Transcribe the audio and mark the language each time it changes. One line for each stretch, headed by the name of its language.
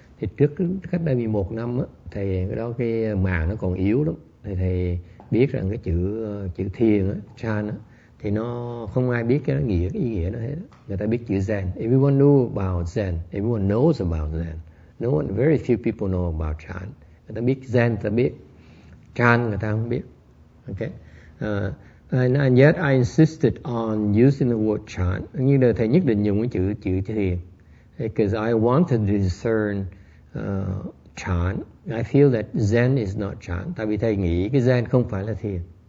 Vietnamese: Thì trước cách đây 11 năm thầy đó cái màng nó còn yếu lắm. Thầy biết rằng cái chữ thiền Chan thì nó không ai biết cái nghĩa, cái ý nghĩa nó hết. Người ta biết chữ Zen.
English: Everyone knew about Zen. Everyone knows about Zen. No one, very few people know about Chan.
Vietnamese: Người ta biết Zen, người ta biết. Chan người ta không biết. Okay.
English: And yet I insisted on using the word Chan.
Vietnamese: Như là thầy nhất định dùng cái chữ thiền.
English: Because I want to discern Chan. I feel that Zen is not Chan.
Vietnamese: Tại vì thầy nghĩ cái Zen không phải là thiền.